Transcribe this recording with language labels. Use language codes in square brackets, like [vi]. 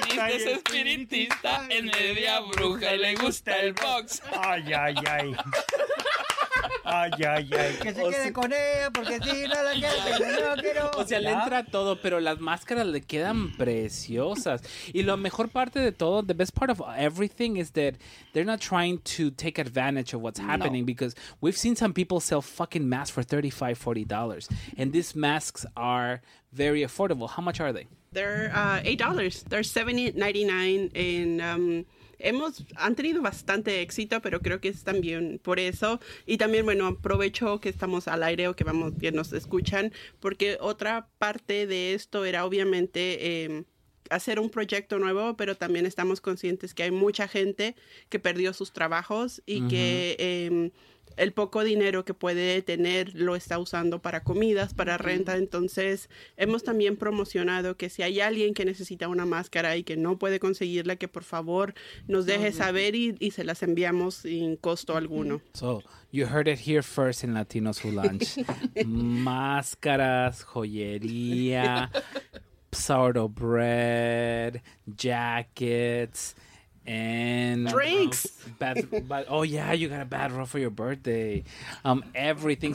[es] Es espiritista, en media bruja, y le gusta el box. Ay, ay, ay. Ay, ay, ay. Que se quede con ella, porque si no la quiero. O sea, le entra todo, pero las máscaras le quedan preciosas. Y la mejor parte de todo, [en] the best part of everything is that they're not trying to take advantage of what's happening because we've seen some people sell fucking masks for $35-$40. And these masks are very affordable. How much are they? They're $8. They're $7.99 [es] in han tenido bastante éxito, pero creo que es también por eso. Y también, bueno, aprovecho que estamos al aire o que vamos bien, nos escuchan, porque otra parte de esto era obviamente hacer un proyecto nuevo, pero también estamos conscientes que hay mucha gente que perdió sus trabajos y que el poco dinero que puede tener lo está usando para comidas, para renta. Entonces, hemos también promocionado que si hay alguien que necesita una máscara y que no puede conseguirla, que por favor nos deje saber y se las enviamos sin costo alguno. [en] So, you heard it here first in Latinos Who Lunch. [es] Máscaras, joyería, [en] sourdough bread, jackets, and drinks. You got a bad roll for your birthday. Everything.